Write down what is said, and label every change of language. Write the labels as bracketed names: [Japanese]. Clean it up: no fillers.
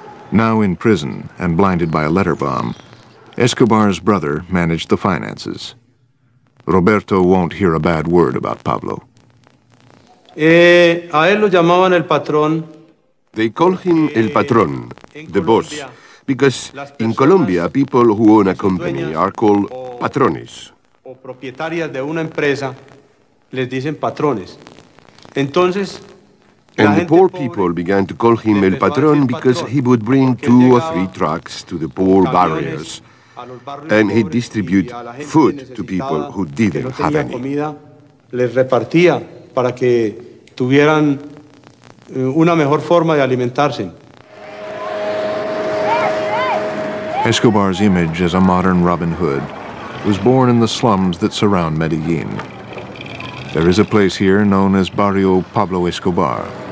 [English] Now in prison and blinded by a letter bomb, Escobar's brother managed the finances. Roberto won't hear a bad word about Pablo. [Spanish] A él lo llamaban el patrón. [English] They call him El Patrón, the boss, because in Colombia, people who own a company are called patrones. [Spanish] O propietarias de una empresa les dicen patrones. Entonces, [English] And the poor people began to call him El Patrón because he would bring two or three trucks to the poor barriers. And he'd distribute food to people who didn't have any. [Spanish] Les repartía para que tuvieran una mejor forma de alimentarse. [English] Escobar's image as a modern Robin Hood was born in the slums that surround Medellin. There is a place here known as Barrio Pablo Escobar.